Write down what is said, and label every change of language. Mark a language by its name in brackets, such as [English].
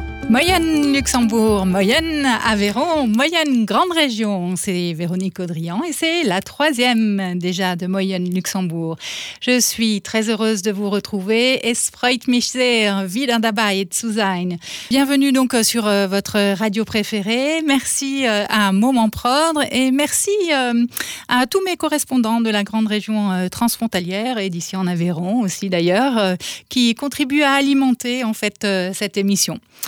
[French] Moyenne Luxembourg, Moyenne Aveyron, Moyenne Grande Région. C'est Véronique Audrian et c'est la troisième déjà de Moyenne Luxembourg. Je suis très heureuse de vous retrouver. [German] Es freut mich sehr, wieder dabei zu sein. [French] Bienvenue donc sur votre radio préférée. Merci à Moment Prendre et merci à tous mes correspondants de la Grande Région transfrontalière et d'ici en Aveyron aussi d'ailleurs, qui contribuent à alimenter en fait cette émission.